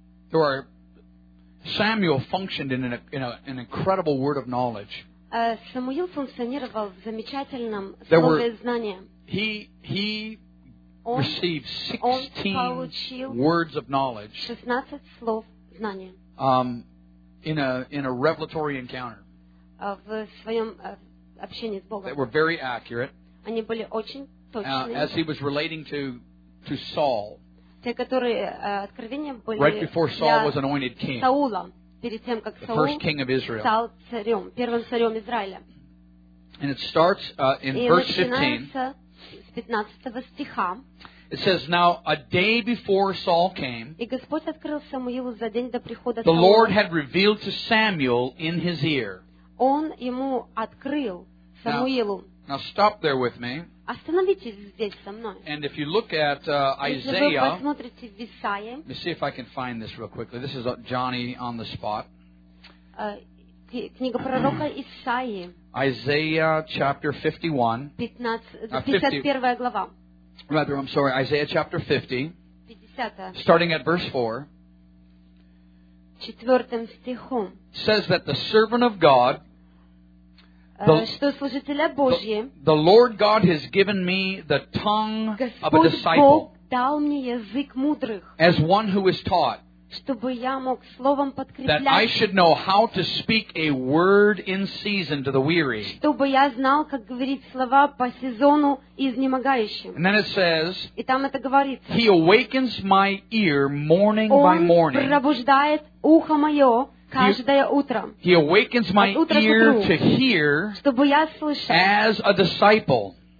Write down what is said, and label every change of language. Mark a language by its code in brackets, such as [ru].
[en] There are Samuel functioned in an incredible word of knowledge. [ru] Самуил функционировал в замечательном слове знания. [en] He received 16 words of knowledge. [ru] 16 слов знания. [en] In a revelatory encounter. [ru] В своем общении с Богом. [en] They were very accurate. [ru] Они были очень точны. [en] As he was relating to Saul. [ru] Те, которые откровения были [en] right before Saul was anointed king, [ru] Саула, перед тем, как [en] the first king of Israel, [ru] стал царем, первым царем Израиля. [en] And it starts in verse 15. [ru] С 15 стиха. [en] It says, "Now a day before Saul came, [ru] и Господь открыл Самуилу за день до прихода Саула, [en] the Lord had revealed to Samuel in his ear." [ru] Он ему открыл Самуилу. [en] Now stop there with me. [ru] Остановитесь здесь со мной. [en] And if you look at Isaiah, [ru] если вы посмотрите в Исаии, [en] let me see if I can find this real quickly. This is Johnny on the spot. [ru] Книга пророка Исаии. [en] Isaiah chapter 51. [ru] 51 глава. [en] Rather, I'm sorry, Isaiah chapter 50. [ru] 50. [en] Starting at verse 4. [ru] Четвертым стихом. [en] Says that the servant of God [ru] что служителя Божьи. [en] The Lord God has given me the tongue of a disciple. [ru] Господь дал мне язык мудрых. [en] As one who is taught. [ru] Чтобы я мог словом подкреплять. [en] That I should know how to speak a word in season to the weary. [ru] Чтобы я знал, как говорить слова по сезону изнемогающим. [en] And then it says. [ru] И там это говорится. [en] He awakens my ear morning by morning. [ru] Он пробуждает ухо мое. [en] He awakens my ear to hear as a disciple.